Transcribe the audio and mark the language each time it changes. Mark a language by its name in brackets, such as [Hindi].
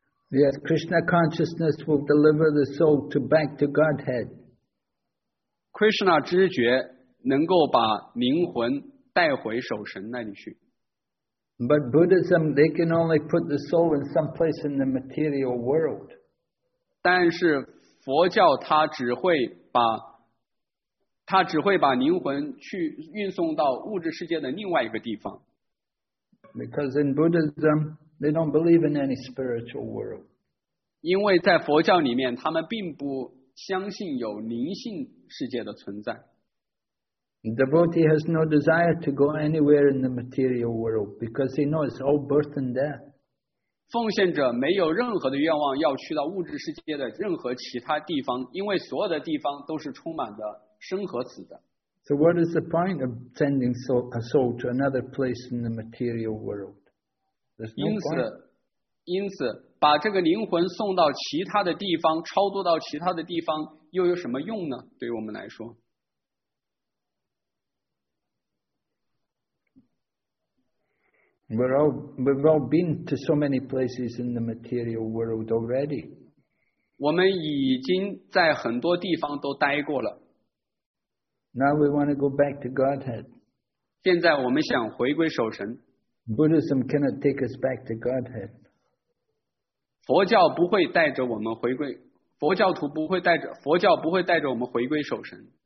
[English] Yes, Krishna consciousness will deliver the soul to back to Godhead. [Chinese] Krishna 知觉能够把灵魂带回守神那里去。 [English] But Buddhism, they can only put the soul in some place in the material world. [Chinese] 但是佛教它只会把他只会把灵魂去运送到物质世界的另外一个地方。 [English] Because in Buddhism, they don't believe in any spiritual world. [Chinese] 因为在佛教里面，他们并不相信有灵性世界的存在。 [English] The devotee has no desire to go anywhere in the material world because he knows it's all birth and death. [Chinese] 奉献者没有任何的愿望要去到物质世界的任何其他地方，因为所有的地方都是充满着生和死的。 [English] So what is the point of sending a soul to another place in the material world? There's no point. [Chinese] 因此，把这个灵魂送到其他的地方，超度到其他的地方，又有什么用呢？对于我们来说。 [English] We've all been to so many places in the material world already. [Chinese] 我们已经在很多地方都待过了。 [English] Now we want to go back to Godhead. [Chinese] 现在我们想回归守神。 [English] Buddhism cannot take us back to Godhead. [Chinese] 佛教不会带着我们回归，佛教徒不会带着，佛教不会带着我们回归守神。